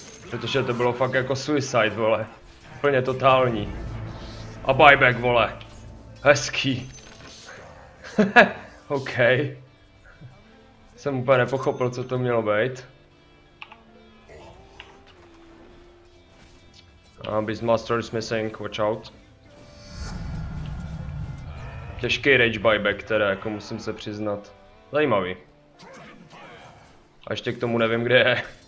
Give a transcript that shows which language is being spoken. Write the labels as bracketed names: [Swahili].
[Czech] Protože to bylo fakt jako suicide, vole. Úplně totální. A buyback, vole. Hezký. OK. Jsem úplně nepochopil, co to mělo být. [English] Beastmaster is missing, watch out. [Czech] Těžký rage buyback teda, jako musím se přiznat. Zajímavý. A ještě k tomu nevím, kde je.